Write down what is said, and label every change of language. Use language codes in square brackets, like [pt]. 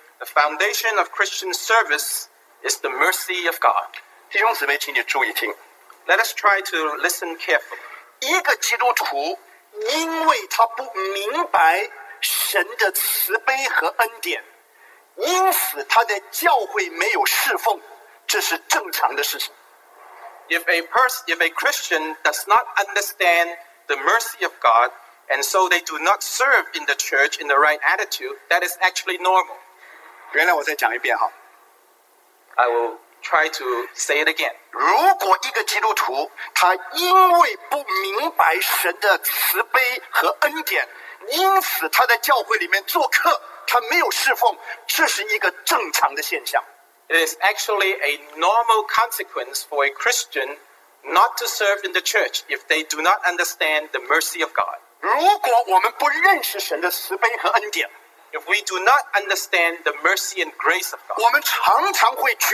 [en] The foundation of Christian service is the mercy of God. [zh] 弟兄姊妹，请你注意听。 [en] Let us try to listen carefully. [zh] 一个基督徒，因为他不明白神的慈悲和恩典，因此他在教会没有侍奉，这是正常的事情。 [en] if a Christian does not understand the mercy of God, and so they do not serve in the church in the right attitude, that is actually normal. [zh] 原来我再讲一遍哈。 [en] I will try to say it again. [zh] 如果一个基督徒他因为不明白神的慈悲和恩典，因此他在教会里面做客，他没有侍奉，这是一个正常的现象。 [en] It is actually a normal consequence for a Christian not to serve in the church if they do not understand the mercy of God. [zh] 如果我们不认识神的慈悲和恩典， [en] if we do not understand the mercy and grace of God,